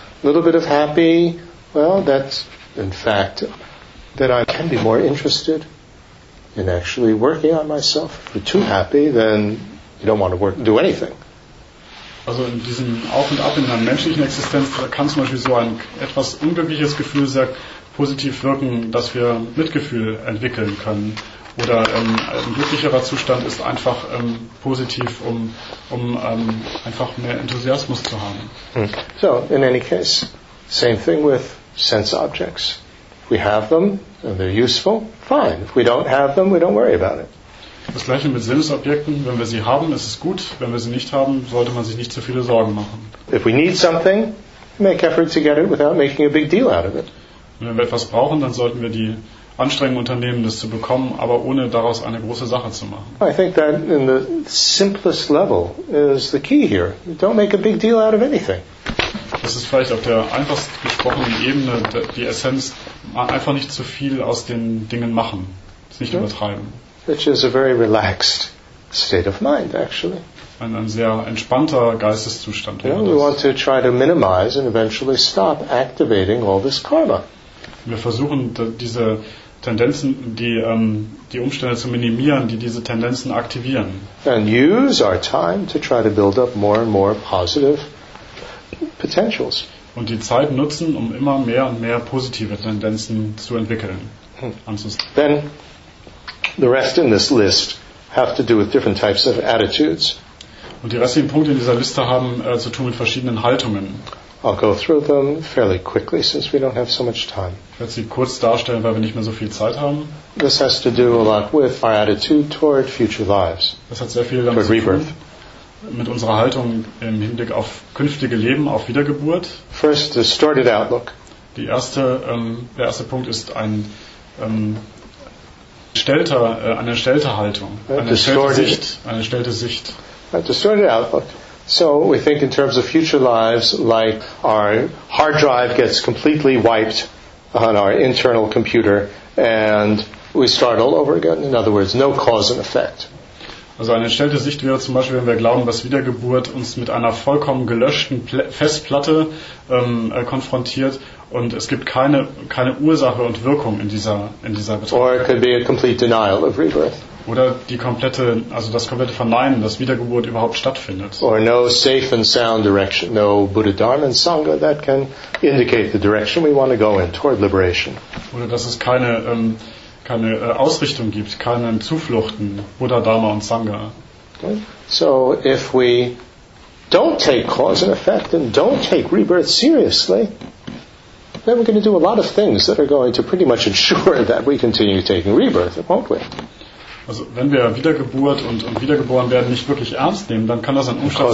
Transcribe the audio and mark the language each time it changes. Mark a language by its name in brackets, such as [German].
[English] A little bit of happy, well, that's in fact that I can be more interested in actually working on myself. If you're too happy, then you don't want to work, do anything. [German] Also in diesem Auf und Ab in der menschlichen Existenz kann zum Beispiel so ein etwas unglückliches Gefühl sehr positiv wirken, dass wir Mitgefühl entwickeln können. Oder ein glücklicherer Zustand ist einfach positiv, um einfach mehr Enthusiasmus zu haben. [English] So, in any case, same thing with sense objects. If we have them and they're useful, fine. If we don't have them, we don't worry about it. [German] Das Gleiche mit Sinnesobjekten. Wenn wir sie haben, ist es gut. Wenn wir sie nicht haben, sollte man sich nicht zu viele Sorgen machen. [English] If we need something, make effort to get it without making a big deal out of it. [German] Wenn wir etwas brauchen, dann sollten wir die Anstrengung unternehmen, das zu bekommen, aber ohne daraus eine große Sache zu machen. [English] I think that in the simplest level is the key here. Don't make a big deal out of anything. [German] Das ist vielleicht auf der einfachst gesprochenen Ebene die Essenz, einfach nicht zu viel aus den Dingen machen, es nicht übertreiben. [English] Which is a very relaxed state of mind, actually. [German] Ein sehr entspannter Geisteszustand. [English] Yeah, we want to try to minimize and eventually stop activating all this karma. [German] Wir versuchen, diese Tendenzen, die Umstände zu minimieren, die diese Tendenzen aktivieren. [English] And use our time to try to build up more and more positive potentials. [German] Und die Zeit nutzen, um immer mehr und mehr positive Tendenzen zu entwickeln. [English] Then the rest in this list have to do with different types of attitudes. [German] Und die restlichen Punkte in dieser Liste haben zu tun mit verschiedenen Haltungen. [English] I'll go through them fairly quickly since we don't have so much time. [German] Ich werde sie kurz darstellen, weil wir nicht mehr so viel Zeit haben. [English] This has to do a lot with our attitude toward future lives. [German] Das hat sehr viel damit zu tun mit unserer Haltung im Hinblick auf künftige Leben, auf Wiedergeburt. [English] First, distorted outlook. [German] Der erste Punkt ist eine gestellte Haltung, eine gestellte Sicht. [English] A distorted outlook. So we think in terms of future lives, like our hard drive gets completely wiped on our internal computer and we start all over again. In other words, no cause and effect. [German] Also eine entstellte Sicht wäre zum Beispiel, wenn wir glauben, dass Wiedergeburt uns mit einer vollkommen gelöschten Festplatte konfrontiert und es gibt keine Ursache und Wirkung in dieser Betrachtung. [English] Or it could be a complete denial of rebirth. [German] Oder das komplette Verneinen, dass Wiedergeburt überhaupt stattfindet. [English] Or no safe and sound direction, no Buddha, Dharma and Sangha that can indicate the direction we want to go in toward liberation. [German] Oder dass es keine Ausrichtung gibt, keine Zufluchten, Buddha, Dharma und Sangha. [English] Okay. So if we don't take cause and effect and don't take rebirth seriously, then we're going to do a lot of things that are going to pretty much ensure that we continue taking rebirth, won't we? [German] Also wenn wir Wiedergeburt und wiedergeboren werden nicht wirklich ernst nehmen, dann kann das ein Umstand